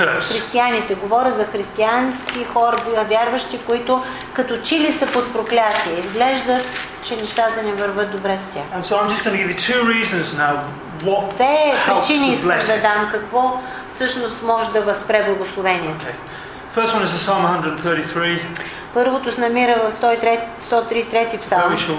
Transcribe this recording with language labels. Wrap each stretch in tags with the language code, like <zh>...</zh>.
<bg>християните, говоря за християнски хора, вярващи, които като чили са под проклятие. Изглежда, че нещата не върват добре с тях.</bg> <en>And so I'm just going to give you two reasons now.</en> <bg>Две причини искам да дам какво всъщност може да възпре благословението.</bg> <en>Okay. First one is the Psalm 133.</en> <bg>Първото се намира в 133-ти псалм.</bg>